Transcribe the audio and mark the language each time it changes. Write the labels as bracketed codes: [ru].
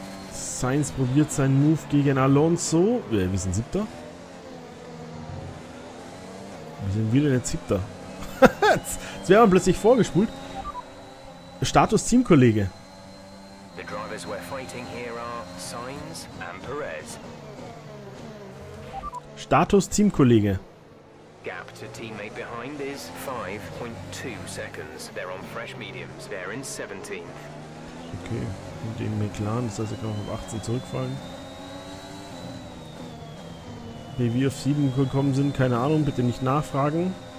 [de] Das Sainz probiert seinen Move gegen Alonso. Wir sind Siebter. Wir sind wieder der Siebter. Jetzt wäre man plötzlich vorgespult. Status Teamkollege. [en] The drivers we're fighting here are Sainz and Perez. [de] Status Teamkollege. [en] Gap to teammate behind is 5.2 seconds. They're on fresh mediums. They're in 17th. [de] Okay, und den McLaren, das heißt, er kann auch auf 18 zurückfallen. Wie wir auf 7 gekommen sind, keine Ahnung, bitte nicht nachfragen.